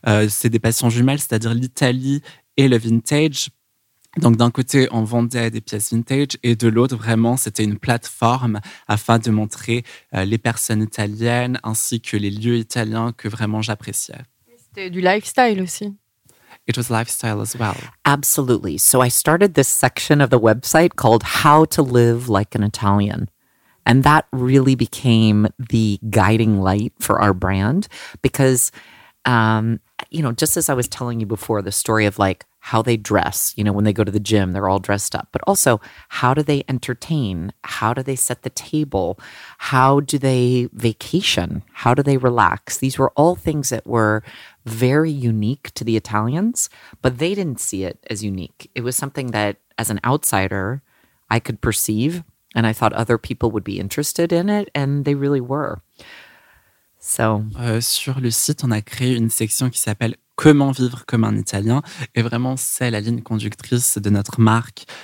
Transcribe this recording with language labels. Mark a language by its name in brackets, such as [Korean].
[French] C'est des passions jumelles, c'est-à-dire l'Italie et le vintage. Donc, d'un côté, on vendait des pièces vintage et de l'autre, vraiment, c'était une plateforme afin de montrer les personnes italiennes ainsi que les lieux italiens que vraiment j'appréciais. C'était du lifestyle aussi. [English] It was lifestyle as well. Absolutely. So I started this section of the website called How to Live Like an Italian. And that really became the guiding light for our brand. Because, you know, just as I was telling you before, the story of like how they dress, you know, when they go to the gym, they're all dressed up. But also, how do they entertain? How do they set the table? How do they vacation? How do they relax? These were all things that were very unique to the Italians, but they didn't see it as unique. It was something that, as an outsider, I could perceive, and I thought other people would be interested in it, and they really were. So, [French] sur le site, on a créé une section qui s'appelle Comment vivre comme un Italien, et vraiment, c'est la ligne conductrice de notre marque.